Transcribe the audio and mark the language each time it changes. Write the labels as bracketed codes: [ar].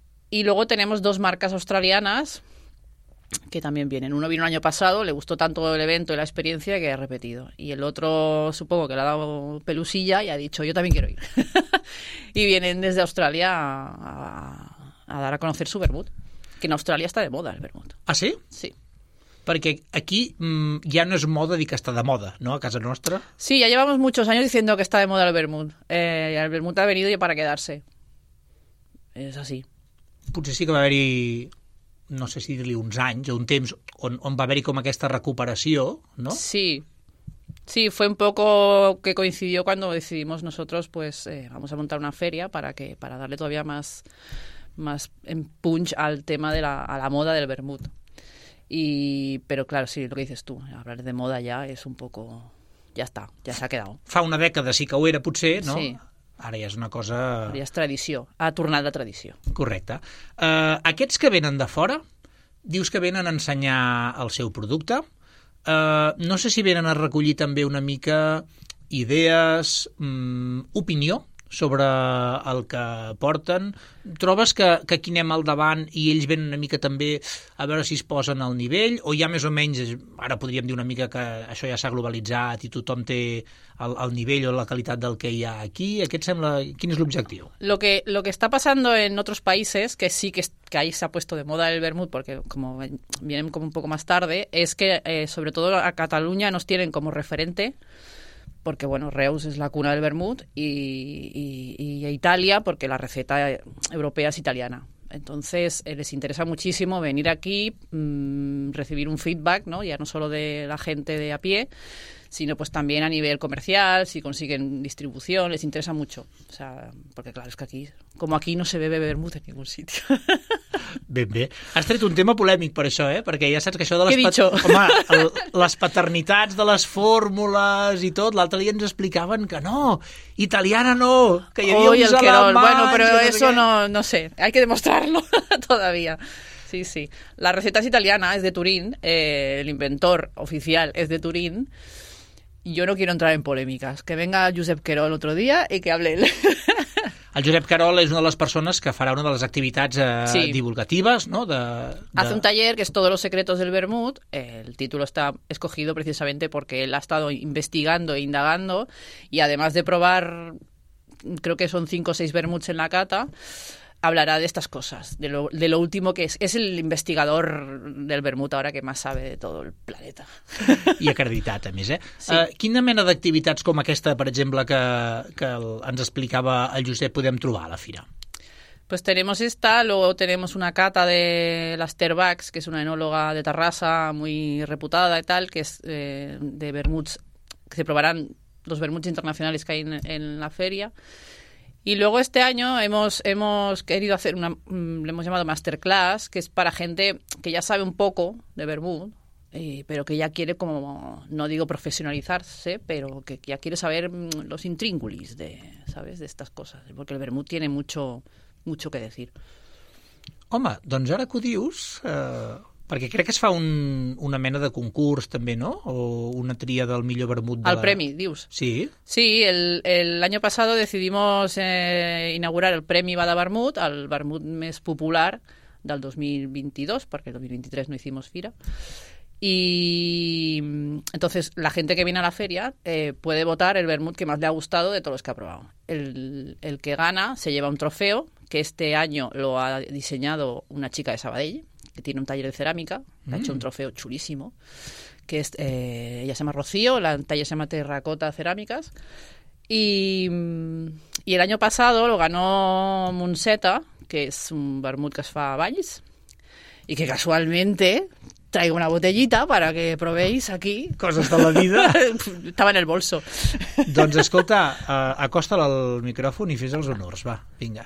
[es] Y luego tenemos dos marcas australianas que también vienen. Uno vino el año pasado, le gustó tanto el evento y la experiencia que ha repetido. Y el otro, supongo que le ha dado pelusilla y ha dicho, yo también quiero ir. Y vienen desde Australia a dar a conocer su vermut. Que en Australia está de moda el vermut. ¿Ah, sí? Sí. [ca] Perquè aquí ja no és moda dir que està de moda, no? A casa nostra. [es] Sí, ya llevamos muchos años diciendo que está de moda el vermut. El vermut ha venido ya para quedarse. Es así. [ca] Potser sí que va haver-hi... no sé si dir-li uns anys o un temps on va haver-hi com aquesta recuperació, no? [es] Sí, sí, fue un poco que coincidió cuando decidimos nosotros, pues, vamos a montar una feria para darle todavía más punch al tema de a la moda del vermut. Pero claro, sí, lo que dices tú, hablar de moda ya es un poco... ya está, ya se ha quedado. [ca] Fa una dècada sí que ho era, potser, no? Sí. Ara ja és una cosa... Ara ja és tradició. Ha tornat la tradició. Correcte. Aquests que venen de fora, dius que venen a ensenyar el seu producte. No sé si venen a recollir també una mica idees, opinió, sobre el que porten. Trobes que aquí anem al davant i ells venen una mica també a veure si es posen al nivell, o ja més o menys, ara podríem dir una mica que això ja s'ha globalitzat i tothom té el nivell o la qualitat del que hi ha aquí. Aquest sembla, quin és l'objectiu? [es] Lo que está pasando en otros países, que sí que ahí se ha puesto de moda el vermut, porque como vienen como un poco más tarde, es que sobre todo a Cataluña nos tienen como referente, porque bueno, Reus es la cuna del vermut, y a Italia, porque la receta europea es italiana. Entonces les interesa muchísimo venir aquí, recibir un feedback, ¿no? Ya no solo de la gente de a pie, sino pues también a nivel comercial, si consiguen distribución, les interesa mucho. O sea, porque claro, es que aquí, como aquí no se bebe vermut en ningún sitio. [ca] Ben bé. Has tret un tema polèmic per això, eh? Perquè ja saps que això de les paternitats de les fórmules i tot, l'altre dia ens explicaven que no, italiana no, que hi havia uns alemanys... [es] Bueno, però eso no sé, hay que demostrarlo todavía. Sí, sí. La receta es italiana, es de Turín, el inventor oficial es de Turín. Yo no quiero entrar en polémicas. Que venga Josep Querol otro día y que hable él. [ca] El Josep Querol és una de les persones que farà una de les activitats sí. divulgatives, no? [es] Hace un taller que es Todos los secretos del vermut. El título está escogido precisamente porque él ha estado investigando e indagando, y además de probar, creo que son 5 o 6 vermuts en la cata, hablará de estas cosas, de lo último que es el investigador del vermut ahora que más sabe de todo el planeta. [ca] I acreditat, a més, eh? Sí. Quina mena d'activitats com aquesta, per exemple, que ens explicava el Josep, podem trobar a la fira? [es] Pues tenemos esta, luego tenemos una cata de las Terbax, que es una enóloga de Terrassa muy reputada y tal, que es de vermuts, que se probarán los vermuts internacionales que hay en la feria. Y luego este año hemos querido hacer una, le hemos llamado Masterclass, que es para gente que ya sabe un poco de vermut, pero que ya quiere como, no digo profesionalizarse, pero que ya quiere saber los intríngulis de, ¿sabes?, de estas cosas, porque el vermut tiene mucho, mucho que decir. [ca] Home, doncs ara que ho dius, perquè crec que es fa una mena de concurs també, no? O una tria del millor vermut al premi, dius. Sí. [es] Sí, el año pasado decidimos inaugurar el premi Bada Vermut, [ca] el vermut més popular del 2022, perquè el 2023 [es] no hicimos fira. Y entonces la gente que viene a la feria puede votar el vermut que más le ha gustado de todos los que ha probado. El que gana se lleva un trofeo, que este año lo ha diseñado una chica de Sabadell, que tiene un taller de cerámica, ha hecho un trofeo chulísimo, que es, ella se llama Rocío, el taller se llama Terracota Cerámicas, y el año pasado lo ganó Munseta, que es un vermut [ca] que es fa a Valls, [es] y que casualmente traigo una botellita para que probéis aquí. [ca] Coses de la vida. [es] Estaba en el bolso. [ca] Doncs escolta, acosta'l al micròfon i fes els honors, va, vinga.